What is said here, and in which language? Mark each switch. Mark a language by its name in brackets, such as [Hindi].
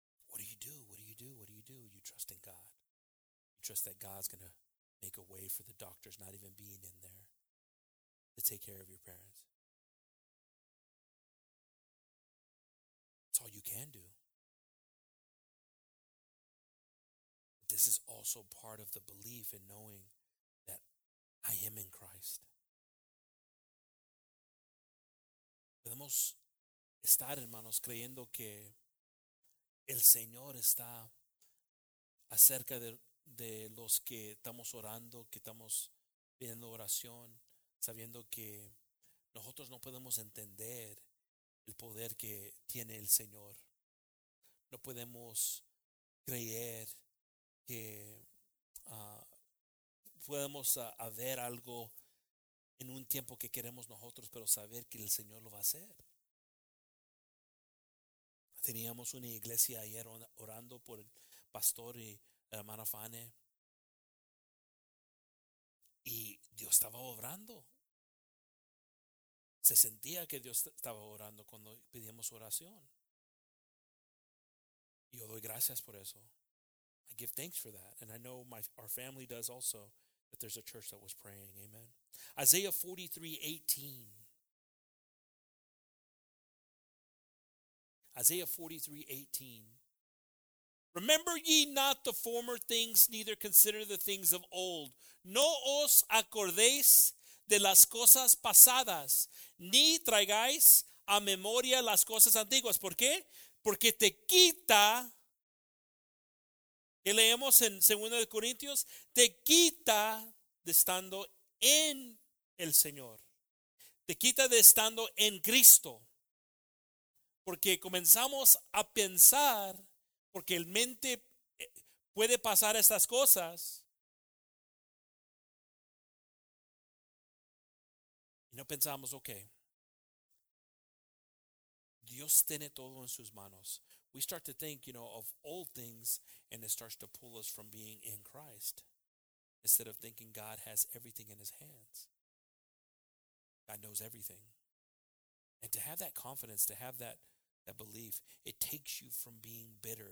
[English] What do you do? You trust in God. You trust that God's going to make a way for the doctors not even being in there to take care of your parents. It's all you can do. But this is also part of the belief in knowing that I am in Christ. [Spanish] Podemos estar, hermanos, creyendo que el Señor está acerca de los que estamos orando, que estamos pidiendo oración, sabiendo que nosotros no podemos entender el poder que tiene el Señor. No podemos creer que podemos ver algo en un tiempo que queremos nosotros, pero saber que el Señor lo va a hacer. Teníamos una iglesia ayer orando por el pastor y hermana Fane. Y Dios estaba obrando. Se sentía que Dios estaba orando cuando pedíamos oración. Y yo doy gracias por eso. [English] I give thanks for that. And I know our family does also, that there's a church that was praying. Amen. Isaiah 43:18. Isaiah 43:18. Remember ye not the former things, neither consider the things of old. [Spanish] No os acordéis de las cosas pasadas, ni traigáis a memoria las cosas antiguas. ¿Por qué? Porque te quita, que leemos en 2 Corintios, te quita de estando en el Señor. Te quita de estando en Cristo. Porque comenzamos a pensar, porque el mente puede pasar estas cosas. Y no pensamos, ok, Dios tiene todo en sus manos. [English] We start to think, you know, of old things, and it starts to pull us from being in Christ. Instead of thinking God has everything in his hands. God knows everything. And to have that confidence, to have that belief, it takes you from being bitter.